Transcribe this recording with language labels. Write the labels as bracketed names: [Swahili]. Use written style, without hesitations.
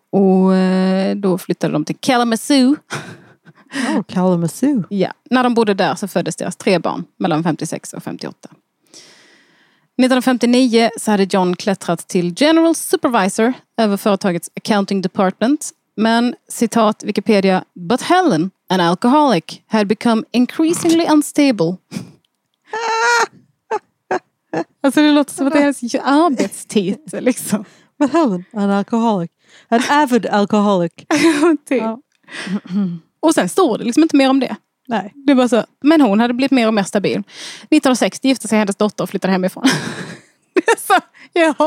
[Swedish] Och då flyttade de till Kalamazoo. Oh, Kalamazoo. Ja, när de bodde där så föddes deras tre barn mellan 56 och 58. 1959 så hade John klättrat till General Supervisor över företagets Accounting Department. Men, citat [English] Wikipedia, but Helen, an alcoholic, had become increasingly unstable. [Swedish] Alltså det låter som att det är hennes arbetstitel liksom. [English] But Helen, an alcoholic, an avid alcoholic. [Swedish] Och sen står det liksom inte mer om det. Nej, det var så. Men hon hade blivit mer och mer stabil. 1960 gifte sig hennes dotter och flyttade hemifrån. Så, ja.